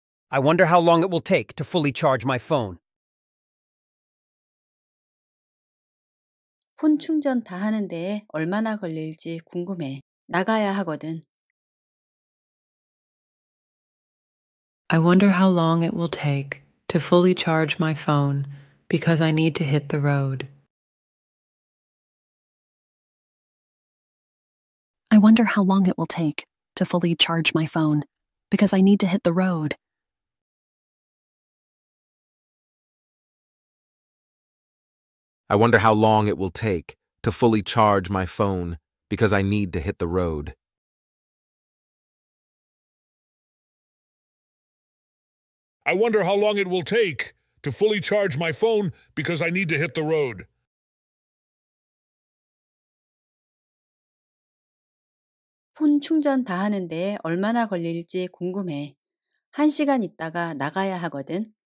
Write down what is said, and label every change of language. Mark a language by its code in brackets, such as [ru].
[en] I wonder how long it will take to fully charge my phone. [ko] 폰 충전 다 하는데 얼마나 걸릴지 궁금해. 나가야 하거든. [en] I wonder how long it will take to fully charge my phone because I need to hit the road. I wonder how long it will take to fully charge my phone because I need to hit the road. I wonder how long it will take to fully charge my phone because I need to hit the road. I wonder how long it will take to fully charge my phone because I need to hit the road. [ko] 폰 충전 다 하는데 얼마나 걸릴지 궁금해. 한 시간 있다가 나가야 하거든.